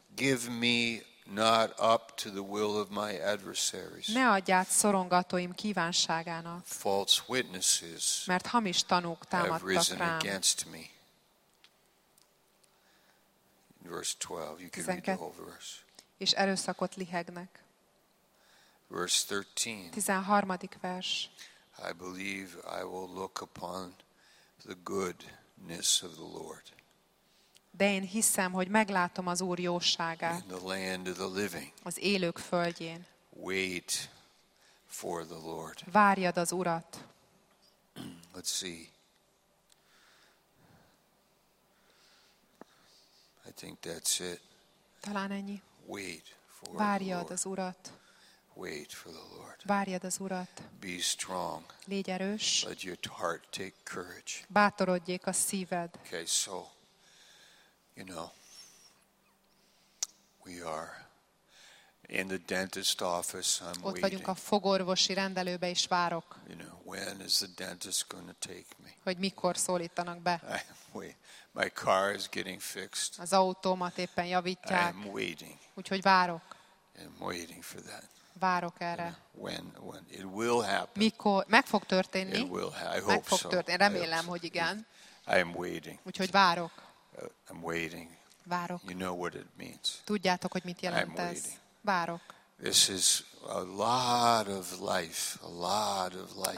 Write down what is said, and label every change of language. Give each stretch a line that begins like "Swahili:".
English: Give me not up to the will of my adversaries.
Hungarian: Ne adj át szorongatóim kívánságának.
English: False witnesses.
Hungarian: Mert hamis tanúk támadtak rám.
English: Have risen against me. Verse 12. You can 12. Read the whole verse.
Hungarian: És erőszakot lihegnek.
English: Verse 13.
Hungarian: 13. vers.
English: I believe I will look upon the goodness of the Lord.
Hungarian: De én hiszem, hogy meglátom az Úr jóságát.
English: In the land of the living.
Hungarian: Az élők földjén.
English: Wait for the Lord.
Hungarian: Várjad az Urat.
English: Let's see. I think that's it.
Hungarian: Talán ennyi.
English: Wait for
Hungarian: Várjad
English: the Lord.
Hungarian: Az Urat.
English: Wait for the Lord.
Hungarian: Várjad az Urat.
English: Be strong.
Hungarian: Légy erős.
English: Let your heart take courage.
Hungarian: Bátorodjék a szíved.
English: Okay, so you know, we are in the dentist office. I'm
Hungarian: Ott vagyunk a fogorvosi rendelőbe is várok.
English: You know, when is the dentist going to take me?
Hungarian: Hogy mikor szólítanak be?
English: My car is getting fixed.
Hungarian: Az autómat éppen javítják.
English: I'm waiting.
Hungarian: Úgyhogy várok.
English: I'm waiting for that.
Hungarian: Várok erre. You
English: know, when it will happen.
Hungarian: Mikor meg fog történni?
English: It will happen. I hope so.
Hungarian: Meg fog történni. Remélem, hogy igen.
English: I'm waiting.
Hungarian: Úgyhogy várok.
English: I'm waiting.
Hungarian: Várok.
English: You know what it means.
Hungarian: Tudjátok, hogy mit jelent ez. Várok.
English: This is a lot of life, a lot of life.